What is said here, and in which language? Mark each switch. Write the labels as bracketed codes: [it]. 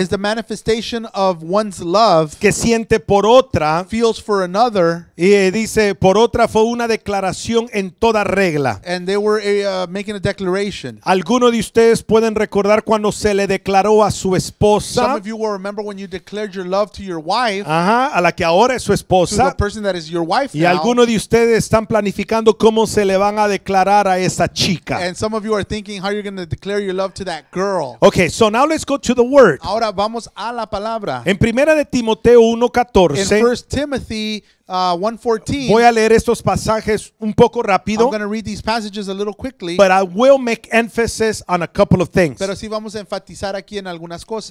[en] is the manifestation of one's love [es] que siente por otra, [en] feels for another, [es] y dice por otra fue una declaración en toda regla. [en] And they were making a declaration. [es] ¿Alguno de ustedes pueden recordar cuando se le declaró a su esposa? [en] Some of you will remember when you declared your love to your wife. [es] Ajá, a la que ahora es su esposa. [en] To the person that is your wife [es] y [en] now. [es] Y alguno de ustedes están planificando cómo se le van a declarar a esa chica. [en] And some of you are thinking how you're going to declare your love to that girl. Okay, so now let's go to the word. [es] Ahora vamos a la palabra. En Primera de Timoteo 1:14. [en] In 1 Timothy 1:14. [es] Voy a leer estos pasajes un poco rápido. [en] I'm going to read these passages a little quickly. But I will make emphasis on a couple of things. [es] Pero sí vamos a enfatizar aquí en algunas cosas.